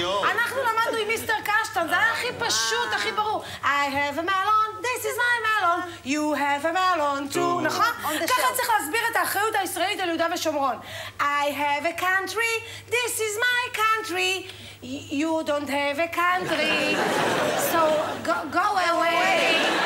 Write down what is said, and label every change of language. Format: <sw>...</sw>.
<he>אנחנו למדנו עם מיסטר קשטן, זה היה הכי פשוט, הכי ברור.</he> <en>I have a melon, this is my melon, you have a melon too,</en> <he>נכון? ככה צריך להסביר את האחריות הישראלית על יהודה ושומרון.</he> <en>I have a country, this is my country, you don't have a country, so go away.</en>